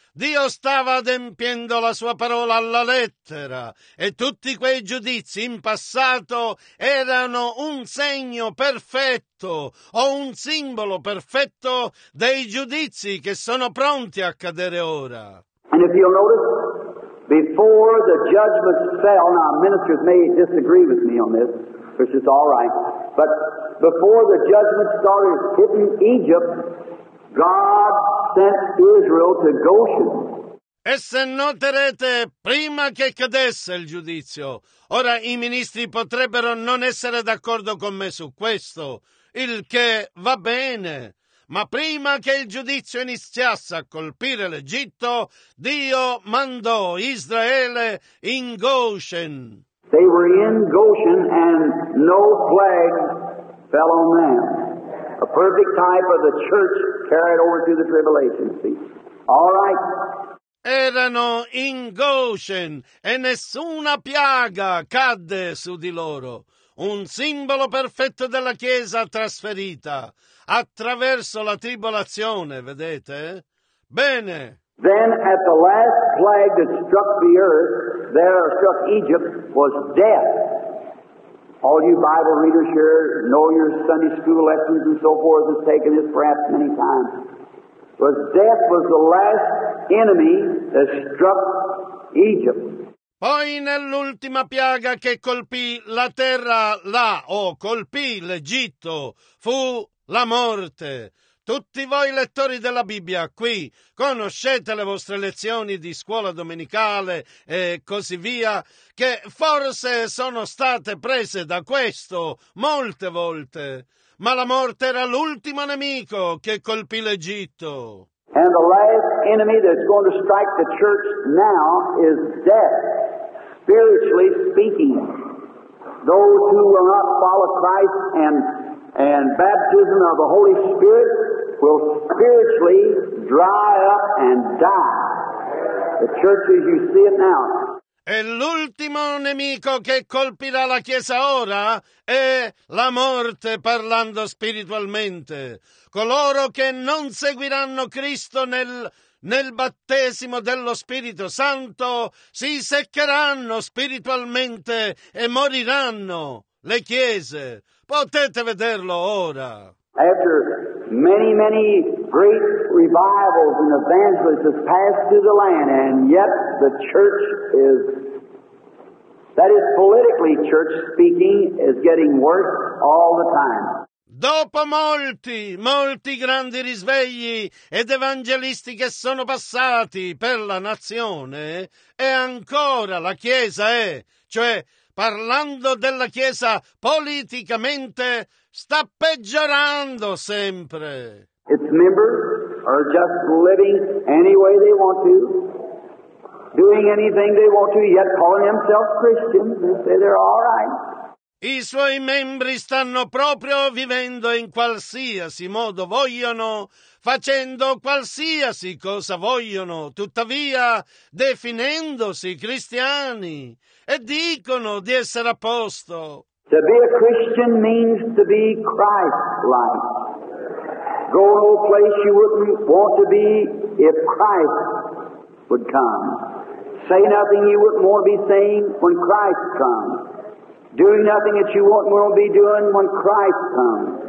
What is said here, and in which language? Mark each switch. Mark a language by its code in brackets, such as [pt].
[it] Dio stava adempiendo la sua parola alla lettera e tutti quei giudizi in passato erano un segno perfetto o un simbolo perfetto dei giudizi che sono pronti a cadere ora. [en] And if you'll notice, before the judgment fell, now ministers may disagree with me on this, which is all right, but before the judgment started hitting Egypt, God sent Israel to Goshen. [it] E se noterete, prima che cadesse il giudizio, ora i ministri potrebbero non essere d'accordo con me su questo, il che va bene. Ma prima che il giudizio iniziasse a colpire l'Egitto, Dio mandò Israele in Goshen. [en] They were in Goshen and no plague fell on them. A perfect type of the church carried over to the tribulation. See? All right. [it] erano in Goshen e nessuna piaga cadde su di loro. Un simbolo perfetto della Chiesa trasferita attraverso la tribolazione, vedete? Bene. [en] Then at the last plague that struck the earth, there struck Egypt, was death. All you Bible readers here know your Sunday school lessons and so forth have taken this perhaps many times. But death was the last enemy that struck Egypt. [it] Poi nell'ultima piaga che colpì la terra là, o colpì l'Egitto, fu la morte. Tutti voi lettori della Bibbia qui conoscete le vostre lezioni di scuola domenicale e così via, che forse sono state prese da questo molte volte, ma la morte era l'ultimo nemico che colpì l'Egitto. [en] And the last enemy that's going to strike the church now is death. Spiritually speaking, those who will not follow Christ and baptism of the Holy Spirit will spiritually dry up and die. The church as you see it now. [it] E l'ultimo nemico che colpirà la Chiesa ora è la morte, parlando spiritualmente. Coloro che non seguiranno Cristo nel battesimo dello Spirito Santo si seccheranno spiritualmente e moriranno le chiese. Potete vederlo ora. [en] After many, many great revivals and evangelists have passed through the land, and yet the church is, that is politically church speaking, is getting worse all the time. [it] Dopo molti, molti grandi risvegli ed evangelisti che sono passati per la nazione, è ancora la Chiesa è, cioè parlando della Chiesa politicamente, sta peggiorando sempre. [en] Its members are just living any way they want to, doing anything they want to, yet calling themselves Christians and say they're all right. [it] I suoi membri stanno proprio vivendo in qualsiasi modo vogliono, facendo qualsiasi cosa vogliono, tuttavia definendosi cristiani e dicono di essere a posto. [en] To be a Christian means to be Christ-like. Go no place you wouldn't want to be if Christ would come. Say nothing you wouldn't want to be saying when Christ comes. Doing nothing that you wouldn't want to be doing when Christ comes.